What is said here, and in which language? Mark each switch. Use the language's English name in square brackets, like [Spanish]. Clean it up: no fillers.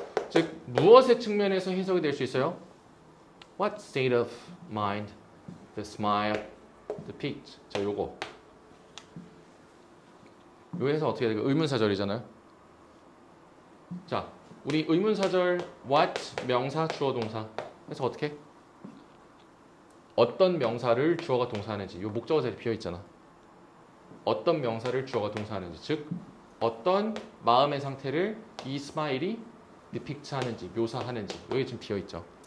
[Korean] 즉 무엇의 측면에서 해석이 될수 있어요? [English] What state of mind the smile depicts? [Korean] 자, 요거. 요에서 어떻게 해야 돼요? 의문사절이잖아요. 자, 우리 의문사절 what 명사 주어 동사 해서 어떻게? 어떤 명사를 주어가 동사하는지 요 목적어자리에 비어 있잖아. 어떤 명사를 주어가 동사하는지 즉 어떤 마음의 상태를 이 스마일이 디픽트 하는지 묘사하는지 여기 지금 비어 있죠.